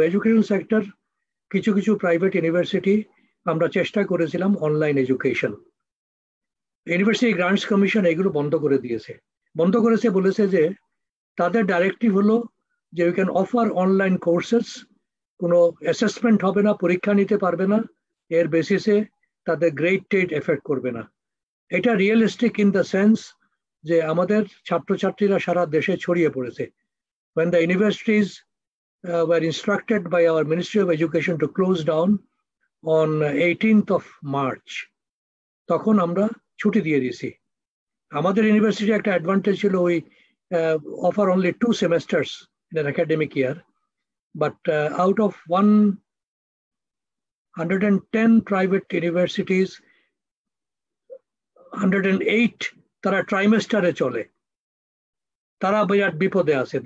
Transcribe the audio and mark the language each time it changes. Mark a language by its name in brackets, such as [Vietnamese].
[Bangla] Education sector কিছু কিছু private university আমরা চেষ্টা করেছিলাম online education, university grants commission এগুলো বন্ধ করে দিয়েছে, বন্ধ করেছে, বলেছে যে তাদের ডাইরেক্টিভ হলো যে [English] we can offer online courses, [Bangla] কোনো অ্যাসেসমেন্ট হবে না, পরীক্ষা নিতে পারবে না, এর বেসিসে তাদের গ্রেড টেড এফেক্ট করবে না। এটা রিয়েলিস্টিক [English] in the sense [Bangla] যে আমাদের ছাত্রছাত্রীরা সারা দেশে ছড়িয়ে পড়েছে। [English] When the universities were instructed by our Ministry of Education to close down on 18th of March, [Bangla] তখন আমরা ছুটি দিয়ে দিয়েছি। আমাদের ইউনিভার্সিটি একটা অ্যাডভান্টেজ ছিল, [English] ওই offer only two semesters in an academic year, but out of 110 private universities 108 [Bangla] তারা ট্রাইমেস্টারে চলে, তারা বিরাট বিপদে আছে।